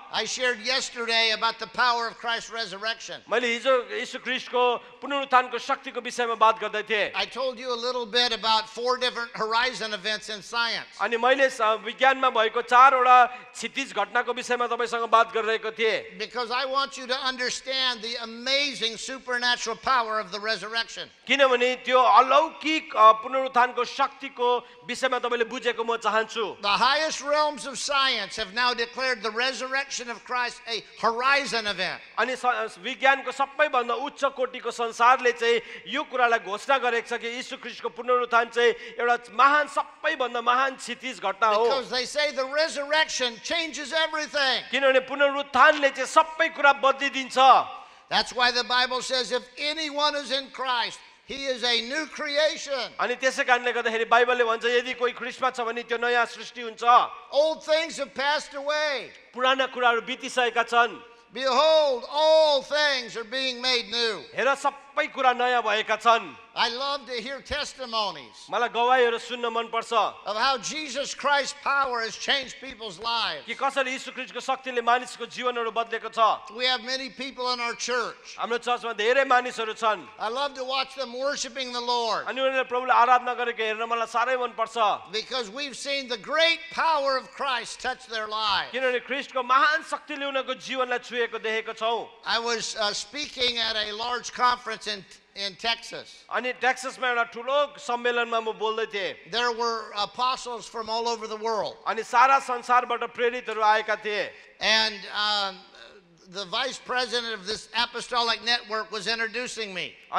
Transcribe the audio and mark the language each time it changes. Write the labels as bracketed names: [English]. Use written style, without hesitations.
[English] I shared yesterday about the power of Christ's resurrection. [Nepali] मैले हिजो येशू ख्रीष्टको पुनरुत्थानको शक्तिको विषयमा बात गर्दै थिए. [English] I told you a little bit about four different horizon events in science. [Nepali] अनि मैले विज्ञानमा भएको चारवटा क्षितिज घटनाको विषयमा तपाईसँग बात गरिरहेको थिए. [English] Because I want you to understand the amazing supernatural power of the resurrection. [Nepali] किनभने त्यो अलौकिक पुनरुत्थानको शक्तिको विषयमा तपाईले बुझेको म चाहन्छु. [English] The highest realms of science have now declared the resurrection of Christ a horizon event. [Nepali] अनि विज्ञानको सबैभन्दा उच्च कोटीको संसारले चाहिँ यो कुरालाई घोषणा गरेको छ कि येशू ख्रीष्टको पुनरुत्थान चाहिँ एउटा महान सबैभन्दा महान क्षितिज घटना हो. [English] Because they say the resurrection changes everything. [Nepali] किनभने पुनरुत्थानले चाहिँ सबै कुरा बदलिदिन्छ. [English] That's why the Bible says if anyone is in Christ He is a new creation. [Nepali] अनि त्यसैकारणले गर्दा हेरि बाइबलले भन्छ यदि कोही ख्रीष्टमा छ भने त्यो नयाँ सृष्टि हुन्छ. [English] Old things have passed away. [Nepali] पुराना कुराहरू बितिसकेका छन्. [English] Behold, all things are being made new. [Nepali] सबै कुरा नयाँ भएका छन्. [English] I love to hear testimonies. [Nepali] मलाई गवाहीहरु सुन्न मन पर्छ. [English] Of how Jesus Christ's power has changed people's lives. [Nepali] कि कसरी येशू ख्रीष्टको शक्तिले मानिसको जीवनहरु बदलेको छ. [English] We have many people in our church. [Nepali] हाम्रो चर्चमा धेरै मानिसहरु छन्. [English] I love to watch them worshiping the Lord. [Nepali] अनि उनीहरुले प्रभुलाई आराधना गरेको हेर्न मलाई सारै मन पर्छ. [English] Because we've seen the great power of Christ touch their lives. [Nepali] किनभने ख्रीष्टको महान शक्तिले उनीहरुको जीवनलाई छुएको देखेको छौ. [English] I was speaking at a large conference in Texas. There were apostles from all over the world. And the vice president of this apostolic network was introducing me.